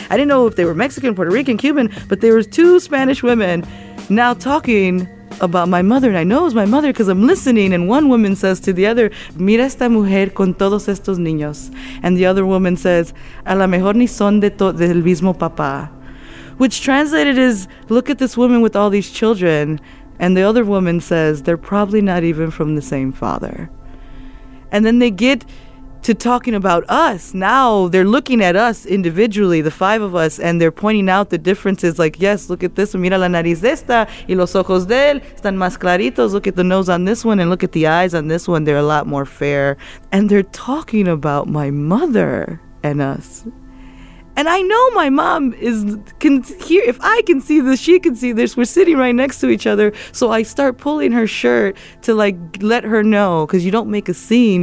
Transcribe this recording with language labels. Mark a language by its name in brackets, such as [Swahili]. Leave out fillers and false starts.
[English] I didn't know if they were Mexican, Puerto Rican, Cuban, but there was two Spanish women now talking about my mother, and I know it was my mother because I'm listening, and one woman says to the other, [Spanish] mira esta mujer con todos estos niños, [English] and the other woman says, [Spanish] a lo mejor ni son del mismo papá, [English] which translated is, look at this woman with all these children, and the other woman says, they're probably not even from the same father. And then they get to talking about us. Now they're looking at us individually, the five of us, and they're pointing out the differences. Like, yes, look at this one. [Spanish] Mira la nariz de esta y los ojos de él están más claritos. [English] Look at the nose on this one and look at the eyes on this one. They're a lot more fair. And they're talking about my mother and us. And I know my mom can hear. If I can see this, she can see this. We're sitting right next to each other. So I start pulling her shirt to, like, let her know, because you don't make a scene.